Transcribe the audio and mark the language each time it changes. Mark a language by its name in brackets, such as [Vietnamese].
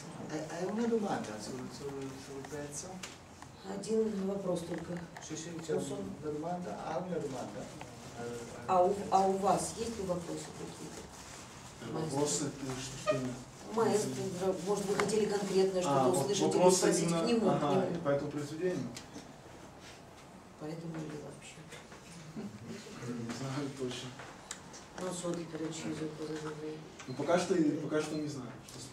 [Italian] Hai una domanda sul pezzo? A Gino di Nova Prostolka. Sì, sì, c'è una domanda. Ha una domanda? [Russian] A у вас есть ли вопросы какие-то? Вопросы, что? Маэстро, может, вы хотели конкретно что-то услышать или спросить к нему? Ага, по этому произведению? По этому или вообще? Не знаю точно. [Italian] Non so di per inciso cosa dovrei. [Russian] Ma пока что не знаю, что спросить.